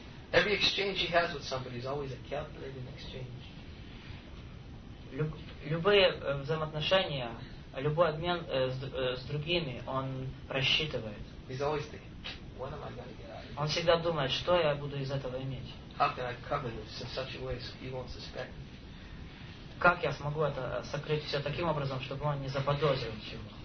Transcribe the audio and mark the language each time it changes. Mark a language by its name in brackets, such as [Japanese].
[English] Every exchange he has with somebody is always a calculated exchange. [Russian] Любые взаимоотношения, любой обмен с другими, он рассчитывает. [English] He's always thinking, what am I going to get out of it? [Russian] Он всегда думает, что я буду из этого иметь. [English] How can I cover this in such a way so he won't suspect? [Russian] Как я смогу это сокрыть все таким образом, чтобы он не заподозрил ничего?